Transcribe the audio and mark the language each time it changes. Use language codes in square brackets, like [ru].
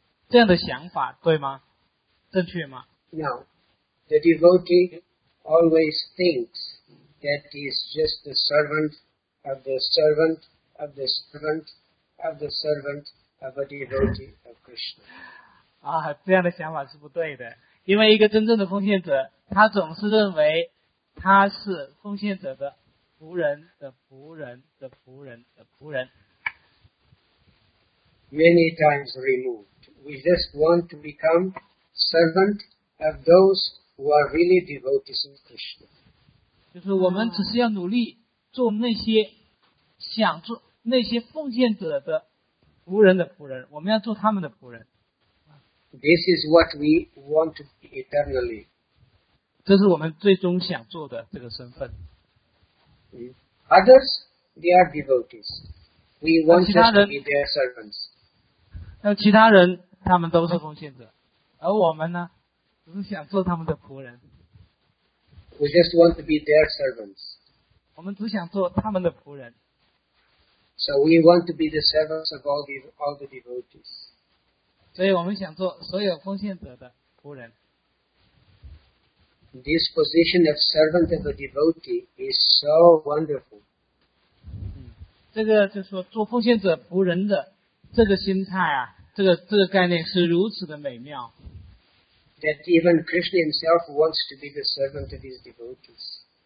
[zh] 这样的想法对吗？正确吗？ [en] Now, the devotee always thinks that he is just the servant of the servant of the servant of the servant of a devotee of Krishna. [zh] 这样的想法是不对的，因为一个真正的奉献者，他总是认为他是奉献者的仆人的仆人的仆人的仆人。 [en] Many times removed, we just want to become servant. Of those who are really devotees of Krishna. [zh] 就是我们只是要努力做那些想做那些奉献者的仆人的仆人，我们要做他们的仆人。 [en] This is what we want to be eternally. [zh] 这是我们最终想做的这个身份。 [en] Others, they are devotees. We want to be their servants. [zh] 那其他人，他们都是奉献者，而我们呢？只是想做他们的仆人。 [en] We just want to be their servants. [zh] 我们只想做他们的仆人。 [en] So we want to be the servants of all the devotees. [zh] 所以我们想做所有奉献者的仆人。 [en] This position of servant of a devotee is so wonderful. [zh] 这个就是说做奉献者仆人的这个心态啊，这个概念是如此的美妙。 [en] that even Krishna himself wants to be the servant of his devotees.